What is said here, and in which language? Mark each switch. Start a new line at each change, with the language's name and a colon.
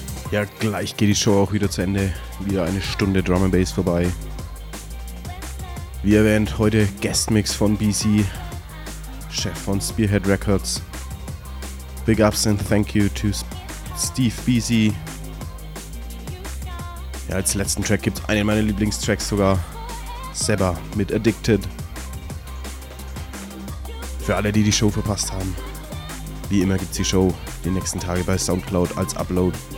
German: Ja, gleich geht die Show auch wieder zu Ende. Wieder eine Stunde Drum and Bass vorbei. Wie erwähnt, heute Guestmix von BC, Chef von Spearhead Records.
English: Big ups and thank you to Steve BC.
German: Ja, als letzten Track gibt es einen meiner Lieblingstracks sogar. Seba mit Addicted. Für alle, die Show verpasst haben. Wie immer gibt es die Show die nächsten Tage bei Soundcloud als Upload.